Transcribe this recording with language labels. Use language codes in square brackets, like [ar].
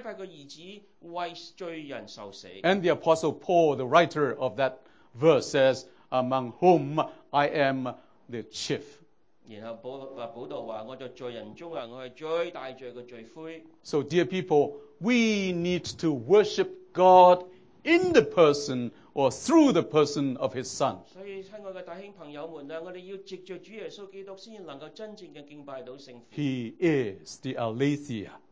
[zh] 他说这句话是说神的说话是可靠的,神差派他儿子为罪人受死。 [en] And the Apostle Paul, the writer of that verse, says, among whom I am the chief. [zh] 然后保罗说,我在罪人中,我是最大罪的罪魁。 [en] So dear people, we need to worship God in the person or through the person of His Son. He is the aletheia.